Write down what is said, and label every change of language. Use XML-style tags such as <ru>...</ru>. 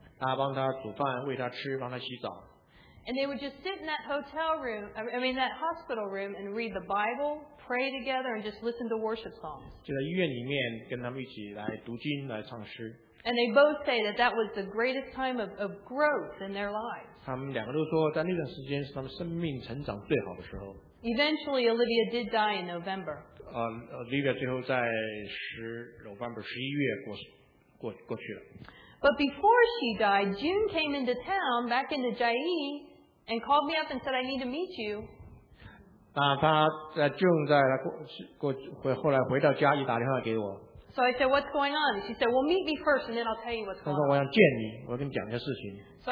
<zh>她帮她煮饭，喂她吃，帮她洗澡。</zh> <en>And they would just sit in that hotel room, that hospital room, and read the Bible, pray together, and just listen to worship songs.</en> <zh>就在医院里面跟他们一起来读经，来唱诗。</zh> <en>And they both say that that was the greatest time of growth in their lives.</en> <zh>他们两个都说，在那段时间是他们生命成长最好的时候。</zh> <en>Eventually, Olivia did die in November.</en> <zh>Olivia 最后在November 11月过去了。</zh> <en>But before she died, June came into town, back into Jai, and called me up and said, "I need to meet you."</en> <zh>那她在June后来回到家里打电话给我。</zh> <en>So I said, "What's going on?" She said, "Well, meet me first, and then I'll tell you what's going on."</en> <zh>她说我要见你，我要跟你讲件事情。So</zh>